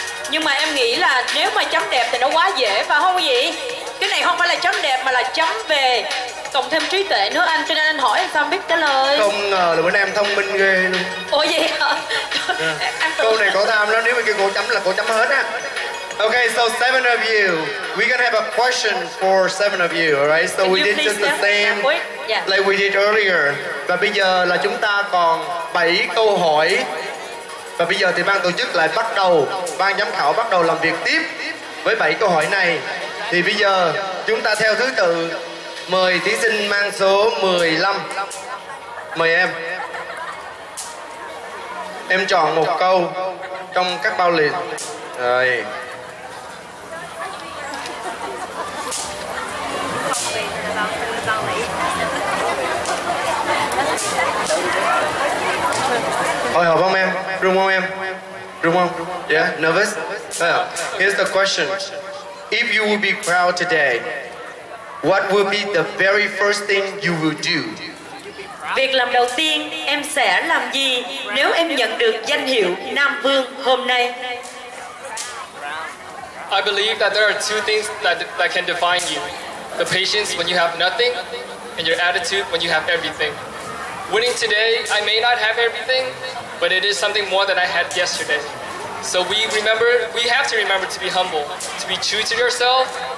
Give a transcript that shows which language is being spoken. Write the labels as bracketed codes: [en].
[vi] Nhưng mà em nghĩ là nếu mà chấm đẹp thì nó quá dễ, phải không quý vị? Cái này không phải là chấm đẹp mà là chấm về cộng thêm trí tuệ nữa anh, cho nên anh hỏi em sao biết trả lời. Không ngờ là bữa nay em thông minh ghê luôn. Ủa vậy hả? [en] Yeah. [vi] Câu này cổ tham lắm, nếu mà kêu cổ chấm là cổ chấm hết á. [en] Okay, so seven of you, we're gonna have a question for seven of you, alright? So can we did just the same yeah. like we did earlier. [vi] Và bây giờ là chúng ta còn 7 câu hỏi. Và bây giờ thì ban tổ chức lại bắt đầu, ban giám khảo bắt đầu làm việc tiếp với 7 câu hỏi này. Thì bây giờ chúng ta theo thứ tự mời thí sinh mang số 15. Mời em. Em chọn một câu trong các bao liền. Rồi. Hồi hộp không em? Room không em? Room không? [en] Yeah? Nervous? Here's the question. If you will be proud today, what will be the very first thing you will do? [vi] Việc làm đầu tiên em sẽ làm gì nếu em nhận được danh hiệu Nam Vương hôm nay? [en] I believe that there are two things that can define you. The patience when you have nothing and your attitude when you have everything. Winning today, I may not have everything, but it is something more than I had yesterday. So we have to remember to be humble, to be true to yourself.